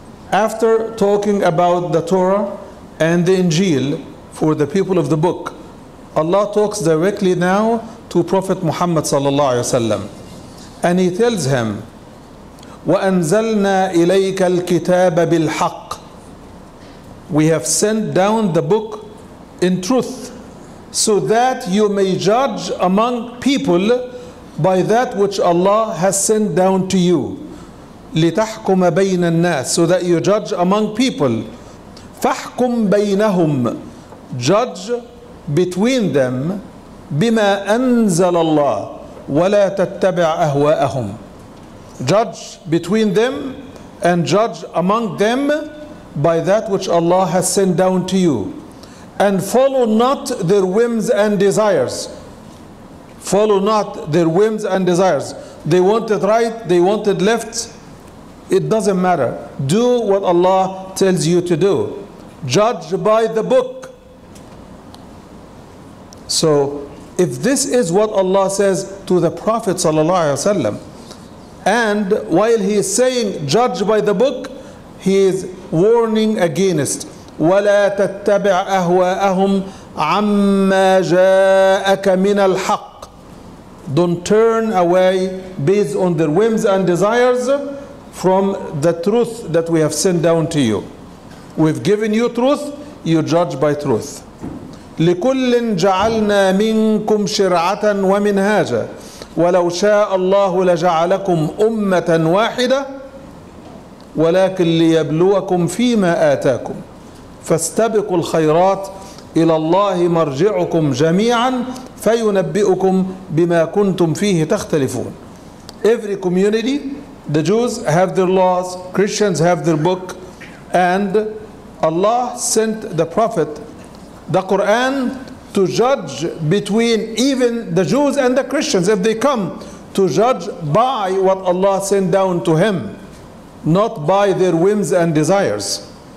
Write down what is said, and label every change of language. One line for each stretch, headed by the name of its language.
English: After talking about the Torah and the Injil for the people of the book, Allah talks directly now to Prophet Muhammad sallallahu alaihi wasallam, and He tells him,
Arabic: وَأَنزَلْنَا إِلَيْكَ الْكِتَابَ بِالْحَقِّ.
English: We have sent down the book in truth, so that you may judge among people by that which Allah has sent down to you.
Arabic: لتحكم بين الناس,
English: so that you judge among people.
Arabic: فاحكم بينهم,
English: judge between them
Arabic: بما أنزل الله ولا تتبع أهواءهم.
English: Judge between them and judge among them by that which Allah has sent down to you. And follow not their whims and desires. Follow not their whims and desires. They want it right, they want it left. It doesn't matter. Do what Allah tells you to do. Judge by the book. So if this is what Allah says to the Prophet sallallahu alaihi wasallam, and while he is saying judge by the book, he is warning against
Arabic: وَلَا تَتَّبِعْ أَهْوَاءَهُمْ عَمَّا جَاءَكَ مِنَ الْحَقِّ.
English: Don't turn away based on their whims and desires from the truth that we have sent down to you. We've given you truth, you judge by truth.
Arabic: لِكُلٍ جَعَلْنَا مِنْكُمْ شِرْعَةً وَمِنْهَاجًا وَلَوْ شَاءَ اللَّهُ لَجَعَلَكُمْ أُمَّةً وَاحِدَةً وَلَكِنْ لِيَبْلُوَكُمْ فِي مَا آتَاكُمْ فاستبقوا الخيرات إلى الله مرجعكم جميعا فينبئكم بما كنتم فيه تختلفون.
English: Every community, the Jews have their laws, Christians have their book, and Allah sent the Prophet, the Quran, to judge between even the Jews and the Christians. If they come, to judge by what Allah sent down to him, not by their whims and desires.